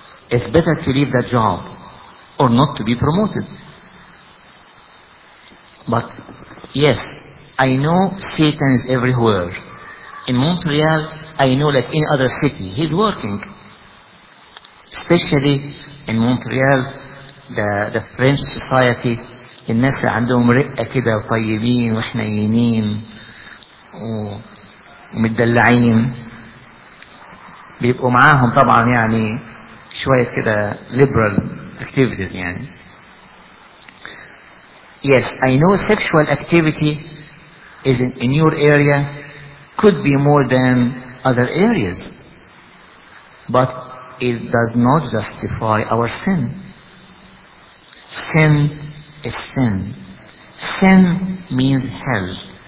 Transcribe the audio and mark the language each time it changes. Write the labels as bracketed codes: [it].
[en] It's better to leave that job or not to be promoted. But yes, I know Satan is everywhere. In Montreal, I know like any other city, he's working. Especially in Montreal, the French society, [ar] الناس عندهم رئة كده طيبين وحنينين ومدلعين، بيبقوا معاهم طبعا يعني شوية كده [en] liberal activities [ar] يعني. [en] Yes, I know sexual activity is in your area could be more than other areas, but it does not justify our sin. Sin is sin. Sin means hell.